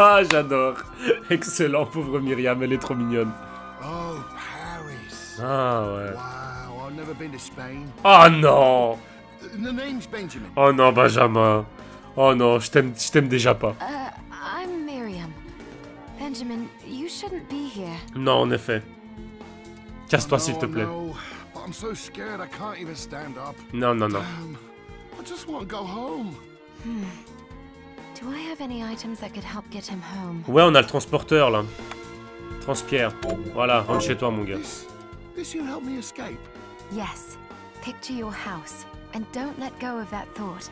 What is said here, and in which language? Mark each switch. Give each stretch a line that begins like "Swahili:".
French: J'adore. Excellent, pauvre Myriam, elle est trop mignonne. Oh, Paris. Ah ouais.
English: Wow, I've never been to Spain.
French: Oh non.
English: The name's Benjamin.
French: Oh non, Benjamin. Oh non, je t'aime déjà pas.
English: I'm Miriam. Benjamin, you shouldn't be here.
French: Non, en effet. Casse-toi, s'il te plaît.
English: But I'm so scared I can't even stand up.
French: Non, non, non.
English: I just want to go home. Do I have any items that could help get him home?
French: Ouais, on a le transporteur là. Transpire. Voilà, rentre chez toi, mon gars.
English: This will help me escape. Yes. Picture your house and don't let go of that thought.